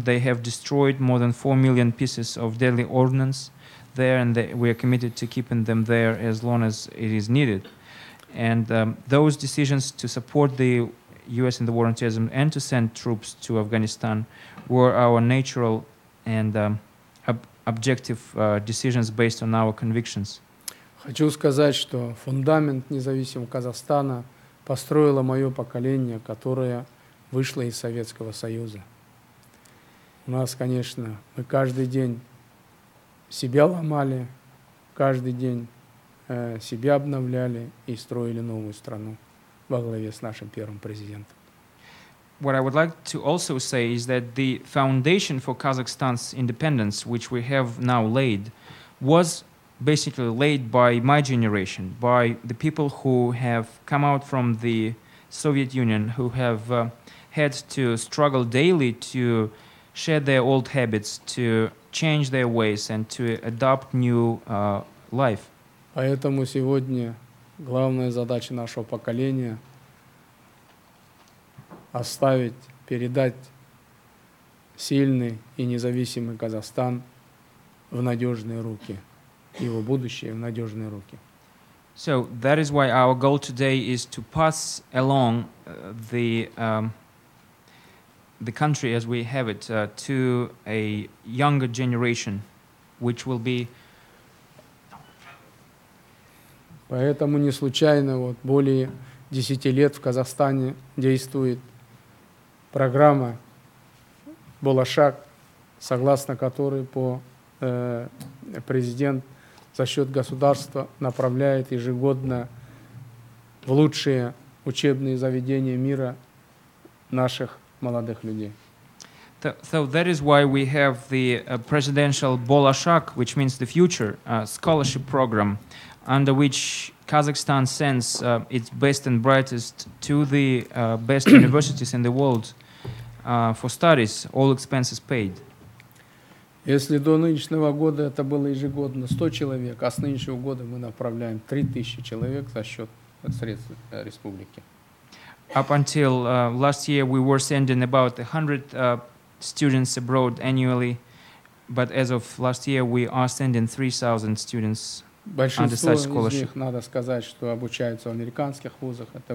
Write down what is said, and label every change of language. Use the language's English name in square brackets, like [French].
[English] They have destroyed more than 4 million pieces of deadly ordnance there, and we are committed to keeping them there as long as it is needed. And those decisions to support the U.S. in the war on terrorism and to send troops to Afghanistan were our natural and objective decisions based on our convictions. [Russian] Хочу сказать, что фундамент независимого Казахстана построило мое поколение, которое вышло из Советского Союза. У нас, конечно, мы каждый день себя ломали, каждый день себя обновляли и строили новую страну во главе с нашим первым президентом. [English] What I would like to also say is that the foundation for Kazakhstan's independence, which we have now laid, was basically laid by my generation, by the people who have come out from the Soviet Union, who have had to struggle daily to shed their old habits, to change their ways, and to adopt new life. [Russian] Поэтому сегодня главная задача нашего поколения – оставить, передать сильный и независимый Казахстан в надежные руки, его будущее в надежные руки. [English] So that is why our goal today is to pass along the country as we have it to a younger generation, which will be. [Russian] Поэтому не случайно вот более 10 лет в Казахстане действует программа «Болашак», согласно которой по президент за счет государства направляет ежегодно в лучшие учебные заведения мира наших молодых людей. [English] So that is why we have the presidential «Болашак», which means the future scholarship program, under which Kazakhstan sends its best and brightest to the best universities in the world for studies, all expenses paid. [Russian] Если до нынешнего года это было ежегодно 100 человек, а с нынешнего года мы направляем 3000 человек за счет средств республики. [English] Up until last year, we were sending about 100 students abroad annually, but as of last year, we are sending 3000 students. [Russian] Большинство из них, надо сказать, что обучаются в американских вузах.